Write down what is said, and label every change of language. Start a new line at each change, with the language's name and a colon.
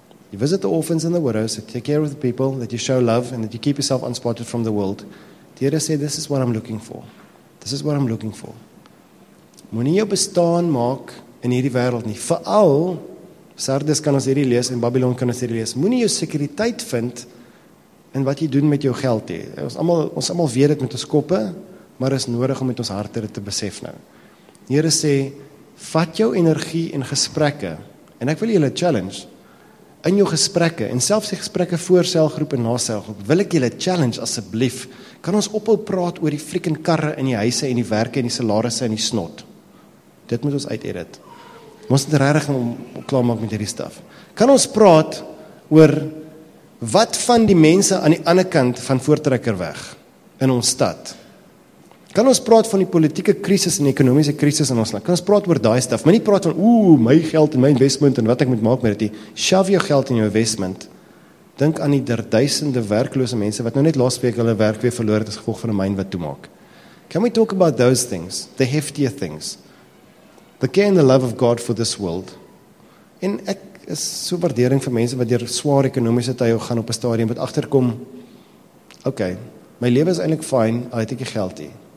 English: You visit the orphans and the widows, you take care of the people, that you show love, and that you keep yourself unspotted from the world. Dieter said, this is what I'm looking for. This is what I'm looking for.
Afrikaans: Moenie jou bestaan maak in hierdie wêreld nie. Veral, Sardes kan ons hierdie lees, en Babylon kan ons hierdie lees. Moenie jou sekuriteit vind in wat jy doen met jou geld nie. Ons almal weet dit met ons koppe, maar is nodig om met ons harte dit te besef nou. Here sê, vat jou energie en gesprekke, en ek wil julle challenge, in jou gesprekke, en selfs die gesprekke voor selgroep en na selgroep, wil ek julle challenge asseblief, kan ons ophou praat oor die freaking karre in die huise en die werke en die salarisse en die snot. Dit moet ons uitedit. Ons moet regtig om klaar maak met hierdie stuff. Kan ons praat oor wat van die mense aan die ander kant van Voortrekkerweg in ons stad? Kan ons praat van die politieke krisis en die ekonomiese krisis in ons land? Kan ons praat oor daai stuff, maar nie praat van my geld en my investment en wat ek moet maak met dit nie. Shove jou geld in jou investment. Dink aan die duisende werklose mense wat nou net laas week hulle werk weer verloor het as gevolg van 'n myn wat toemaak.
English: Can we talk about those things, the heftier things? The care and the love of God for this world.
Afrikaans: En ek is so waardering vir mense wat deur swaar ekonomiese tye gaan op 'n stadium wat agterkom. Okay, my lewe is eintlik fyn, al het ek nie geld nie.